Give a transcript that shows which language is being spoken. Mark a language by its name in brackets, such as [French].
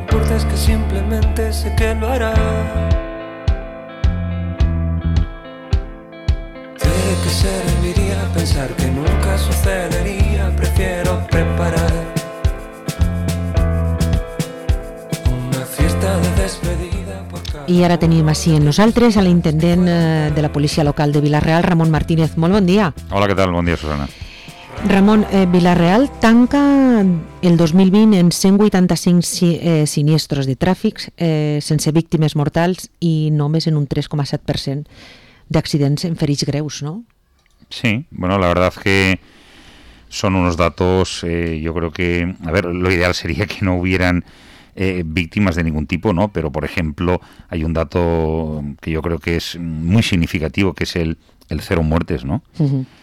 [Spanish] antes que simplemente sé que lo hará. ¿De qué serviría pensar que nunca sucedería? Prefiero preparar una fiesta de despedida. [Catalan] I ara tenim així en nosaltres a l'intendent de la policia local de Vila-real, Ramon Martínez. Molt bon dia. Hola, què tal? Bon dia, Susana. Ramon, Vila-real tanca el 2020 en 185 siniestros de tràfic, sense víctimes mortals i només en un 3,7% d'accidents en ferits greus, no? [Spanish] Sí, bueno, la verdad es que son unos datos, yo creo que, a ver, lo ideal sería que no hubieran víctimas de ningún tipo, ¿no? Pero, por ejemplo, hay un dato que yo creo que es muy significativo, que es el cero muertes, ¿no? Uh-huh.